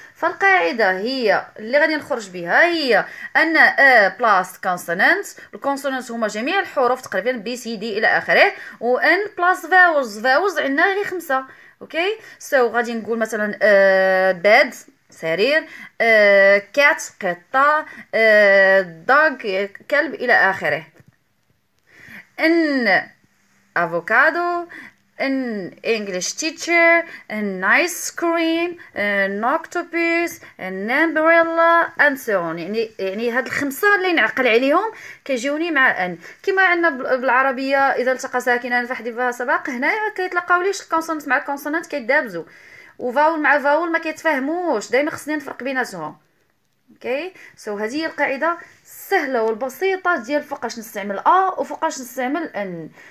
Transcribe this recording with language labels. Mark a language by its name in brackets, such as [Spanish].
[Arabic] فالقاعده هي اللي غادي نخرج بها هي ان ا بلاس كونسونانت، الكونسونانت هما جميع الحروف تقريبا بي سي دي الى اخره، و ان بلاس فاولز. فاولز عندنا غير خمسه. اوكي سو غادي نقول مثلا باد سرير، كات قطه، دوغ كلب الى اخره. [English] An avocado, an English teacher, an ice cream, an octopus, an umbrella and so on. [Arabic] يعني هاد الخمسة اللي نعقل عليهم كيجيوني مع ان. كما عندنا بالعربية اذا التقى ساكنان فحذفها سبق، هنا كيتلاقاو ليش الكونسونت مع الكونسونت كيدابزو، وفاول مع فاول ما كيتفاهموش، دايما خصني نفرق بيناتهم. اوكي سو هذه القاعدة السهلة والبسيطة ديال فوقاش نستعمل ا وفوقاش نستعمل ان.